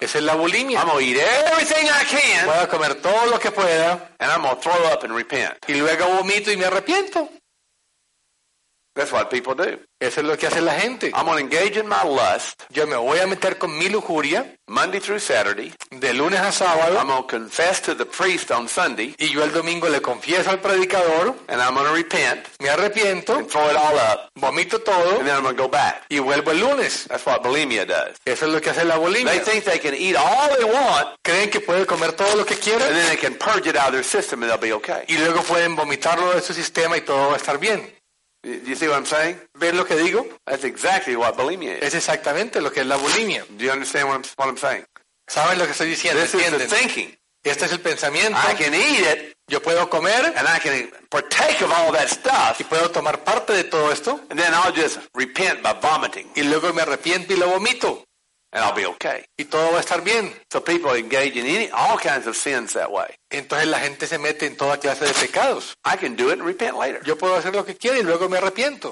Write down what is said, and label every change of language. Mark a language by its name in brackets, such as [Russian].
[Spanish] Esa es la bulimia. [English] I'm gonna eat everything I can. [Spanish] Voy a comer todo lo que pueda. [English] And I'm gonna throw up and repent. [Spanish] Y luego vomito y me arrepiento. [English] That's what people do. [Spanish] Eso es lo que hace la gente. [English] I'm gonna engage in my lust. [Spanish] Yo me voy a meter con mi lujuria. [English] Monday through Saturday. [Spanish] De lunes a sábado. [English] I'm gonna confess to the priest on Sunday. [Spanish] Y yo el domingo le confieso al predicador. [English] And I'm gonna repent. [Spanish] Me arrepiento. [English] And throw it all up. [Spanish] Vomito todo. [English] And then I'm gonna go back. [Spanish] Y vuelvo el lunes. [English] That's what bulimia does. [Spanish] Eso es lo que hace la bulimia. [English] They think they can eat all they want. [Spanish] Creen que pueden comer todo lo que quieren. [English] And then they can purge it out of their system and they'll be okay. [Spanish] Y luego pueden vomitarlo de su sistema y todo va a estar bien. [English] Do you see what I'm saying? [Spanish] ¿Ves lo que digo? [English] That's exactly what bulimia is. [Spanish] Es exactamente lo que es la bulimia. [English] Do you understand what I'm saying? [Spanish] ¿Saben lo que estoy diciendo? [English] This [Spanish] ¿Entienden? [English] Is the thinking. [Spanish] Este es el pensamiento. [English] I can eat it. [Spanish] Yo puedo comer. [English] And I can partake of all that stuff. [Spanish] Y puedo tomar parte de todo esto. [English] And then I'll just repent by vomiting. [Spanish] Y luego me arrepiento y lo vomito. [English] And I'll be okay. [Spanish] Y todo va a estar bien. [English] So people engage in all kinds of sins that way. [Spanish] Entonces la gente se mete en toda clase de pecados. [English] I can do it and repent later. [Spanish] Yo puedo hacer lo que quiera y luego me arrepiento.